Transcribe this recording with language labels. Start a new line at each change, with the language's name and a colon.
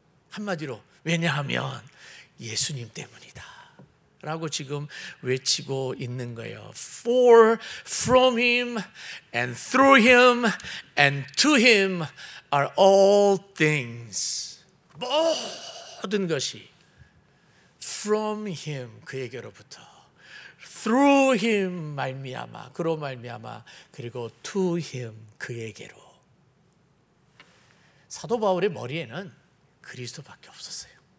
Korean: 한마디로 왜냐하면 예수님 때문이다 라고 지금 외치고 있는 거예요.
English: For, from him, and through him, and to him are all things.
Korean: 모든 것이
English: from him,
Korean: 그에게로부터,
English: through him
Korean: 말미암아, 그로 말미암아, 그리고
English: to him
Korean: 그에게로. 사도 바울의 머리에는 그리스도밖에 없었어요.